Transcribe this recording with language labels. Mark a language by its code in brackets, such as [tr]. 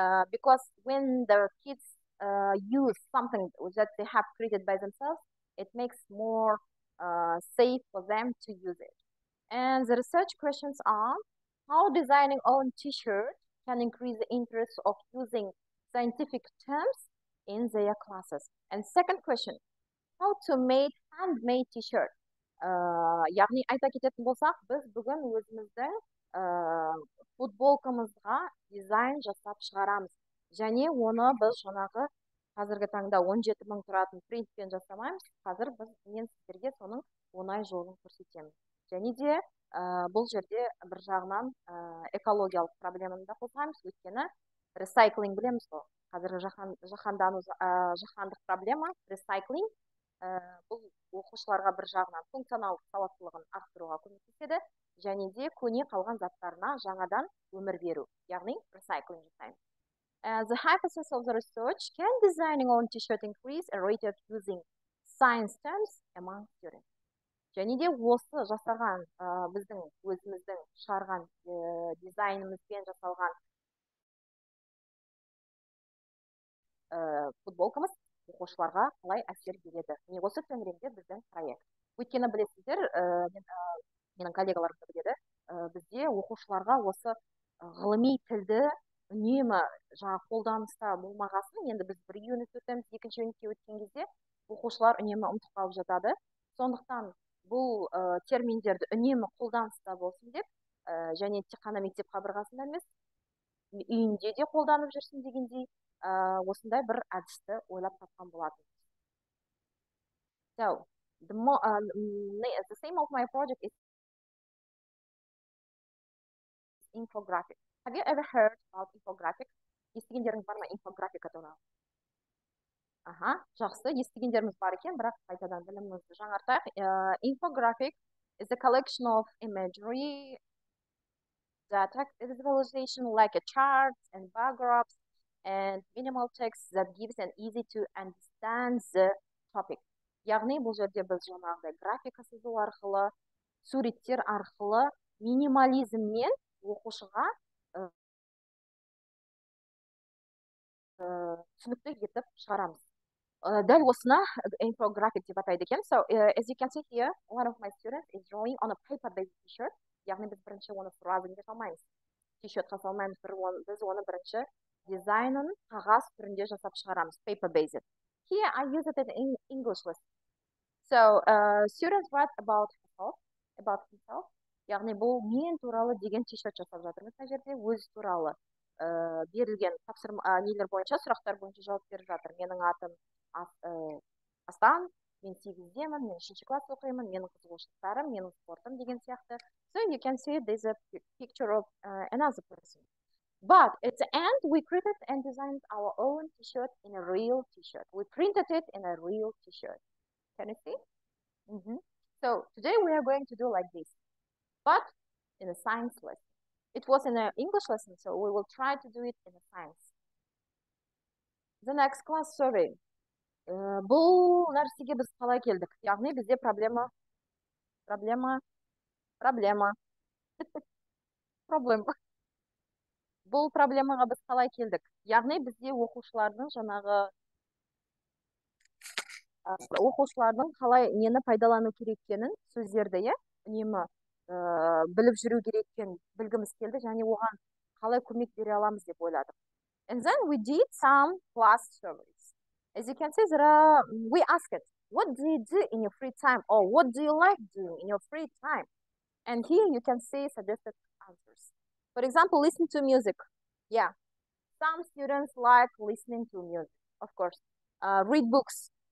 [en] Because when the kids use something that they have created by themselves, it makes more safe for them to use it. And the research questions are, how designing own t-shirt can increase the interest of using scientific terms in their classes? And second question, how to make handmade t-shirt. [kk] Яғни айта кететін болсақ, біз бүгін өзіміздің футболкамызға дизайн жасап шығарамыз. Және оны біз жаңағы қазіргі таңда 17 000 тұратын принтпен жасамаймыз. Қазір біз мен сіздерге соның оңай жолын көрсетемін. Және де бұл жерде бір жағынан экологиялық проблеманы да қозғаймыз. Өйткені recycling білеміз ғой. Қазіргі жаһандық проблема recycling. Бұл оқушыларға бір жағынан функционалдық сауаттылығын арттыруға көмектеседі, және де көне қалған заттарына жаңадан өмір беру, яғни recycling time. [en] The hypothesis of the research, can designing own t-shirt increase a rate of using science terms among students? [kk] Және де осы жасаған біздің өзіміздің шығарған дизайнымызбен жасалған футболкамыз оқушыларға қалай әсер береді. Не осы төңірегінде біздің проект. Өйткені білесіздер, менің коллегаларым да біледі, бізде оқушыларға осы ғылыми тілді үнемі жаңа қолданыста болмағасын, енді біз бір юнит өтеміз, екінші юнитке өткен кезде оқушылар үнемі ұмытып қалып жатады. Сондықтан бұл терминдерді үнемі қолданыста болсын деп, және тек қана мектеп қабырғасында емес, үйінде де қолданып жүрсін дегендей, осындай бір әдісті ойлап тапқан болатын. [en] So, the same of my project is infographic. Have you ever heard about infographic? [kk] Естігендерің бар ма инфографика туралы? Аха, жақсы, естігендеріміз бар екен, бірақ қайтадан білімімізді жаңартайық. [en] Infographic is a collection of imagery, data visualization like a chart and bar graphs, and minimal text that gives an easy to understand the topic. [kk] Яғни бұл жерде біз жаңағыдай графика сызу арқылы, суреттер арқылы минимализммен оқушыға түсінікті етіп шығарамыз. Дәл осына инфографик деп атайды екен. [en] So, as you can see here, one of my students is drawing on a paper-based t-shirt. [kk] Яғни біз бірінші оны сұрау деген жасамаймыз. T-shirt қасалмаймыз бір оны, біз оны бірінші дизайнын қағаз түрінде жасап шығарамыз, paper based. [en] Here I use it in English lesson. So, students write about himself. [kk] Яғни бұл мен туралы деген t-shirt жасап жатырмыз мына жерде, өз туралы берілген тапсырма нелер бойынша, сұрақтар бойынша жауап беріп жатыр. Менің атым Астан, мен 8-демін, мен 3-ші класс оқимын, менің қызығушылықтарым, менің спортым деген сияқты. [en] So you can see there's a picture of another person. But at the end, we created and designed our own t-shirt in a real t-shirt. We printed it in a real t-shirt. Can you see? Mm-hmm. So today we are going to do like this, but in a science lesson. It was in an English lesson, so we will try to do it in a science. The next class survey. [kk] Бұл нәрсеге біз қалай келдік? Яғни бізде проблема. Проблема. Проблема. Проблема. Бұл проблемаға біз қалай келдік? Яғни бізде оқушылардың жаңағы оқушылардың қалай нені пайдалану керектігін сөздерді, иә, үнемі біліп жүру керектігін білгіміз келді және оған қалай көмек бере аламыз деп ойладық. [en] And then we did some class surveys. As you can see, there are, we ask it, what do you do in your free time? Or what do you like doing in your free time? And here you can see suggested answers. For example, listen to music. Yeah, some students like listening to music, of course. Read books.